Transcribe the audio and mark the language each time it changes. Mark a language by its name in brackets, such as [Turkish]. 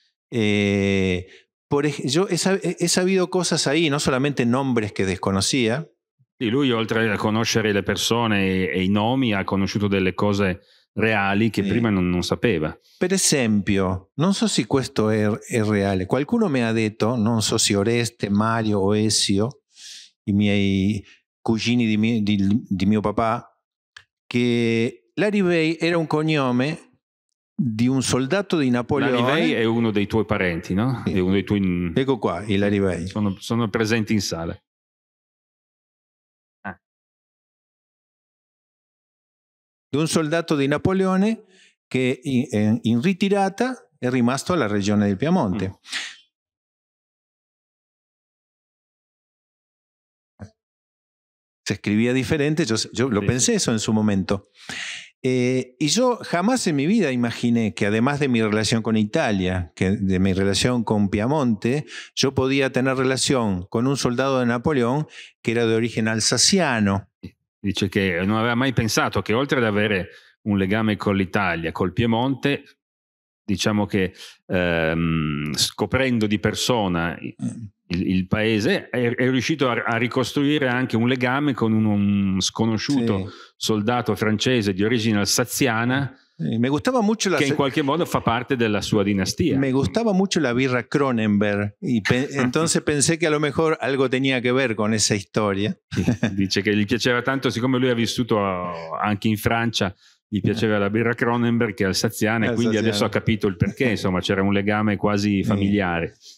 [Spanish] Yo he sabido cosas ahí, no solamente nombres che desconocía. [Italian] E lui, oltre a conoscere le persone e i nomi, ha conosciuto delle cose reali che prima non sapeva. Per esempio, non so se questo è reale. Qualcuno mi ha detto, non so se Oreste, Mario o Ezio, i miei cugini di mio papà, che Larry Bay era un cognome di un soldato di Napoleone. Larry Bay è uno dei tuoi parenti, no? Sì. Uno dei tuoi... Ecco qua, il Larry Bay. Sono presenti in sala. Di un soldato di Napoleone che in ritirata è rimasto alla regione del Piemonte. Si scriveva differente, io [Spanish] lo pensé eso [Italian] in suo momento. [Spanish] Y yo jamás en mi vida imaginé que además de mi relación con Italia, que de mi relación con Piamonte, yo podía tener relación con un soldado de Napoleón que era de origen alsaciano. Dice que no había [Italian] mai pensado que, oltre ad avere un legame con l'Italia, col Piemonte, diciamo que scoprendo di persona il paese, è riuscito a ricostruire anche un legame con un sconosciuto soldato francese di origine alsaziana, [Spanish] me gustaba mucho [Italian] che in qualche modo fa parte della sua dinastia. [Spanish] Me gustaba mucho la birra Cronenberg, entonces pensé que a lo mejor algo tenía que ver con esa historia. [Italian] Dice che gli piaceva tanto, siccome lui ha vissuto anche in Francia, gli piaceva la birra Cronenberg che è alsaziana, e quindi adesso ha capito il perché, insomma, c'era un legame quasi familiare.